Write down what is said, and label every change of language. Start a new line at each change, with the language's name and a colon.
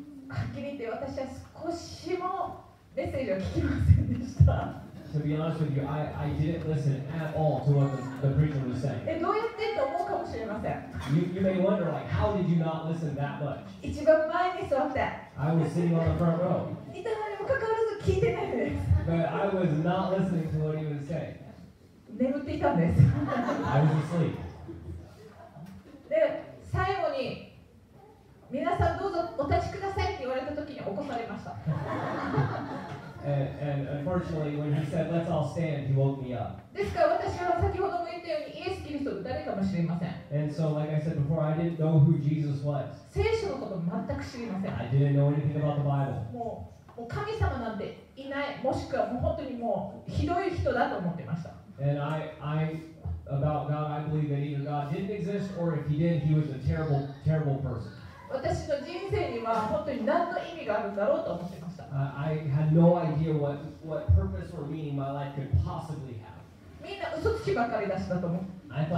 Japanese: はっきり言って私は少しもメッセージを聞きませんでした。
English: To be honest with you, I didn't listen at all to what the preacher was saying.
Japanese: え、どうやってと思うかもしれません。
English: You may wonder, like, how did you not listen that much?
Japanese: 一番前に座って。
English: I was sitting on the front row.
Japanese: いたのにもかかわらず聞いてないです。
English: But I was not listening to what he was saying.
Japanese: 眠っていたんです。
English: I was asleep.
Japanese: で最後に皆さんどうぞお立ちくださいって言われた時に起こされました。
English: and unfortunately, when he said, "Let's all stand," he woke me up.
Japanese: ですから私は先ほども言ったようにイエス・キリストは誰かも知りません。
English: And so, like I said before, I didn't know who Jesus was.
Japanese: 聖書のこと全く知りません。
English: I didn't know anything about the Bible.
Japanese: もう神様なんていない、もしくはもう本当にもうひどい人だと思ってました。
English: And I About God, I believe that either God didn't exist, or if He did, He was a terrible, terrible person.
Japanese: 私の人生には本当に何の意味があるんだろうと思ってました。
English: I had no idea what purpose or meaning my life could possibly have.
Japanese: みんな嘘つきばかりだしだと思う。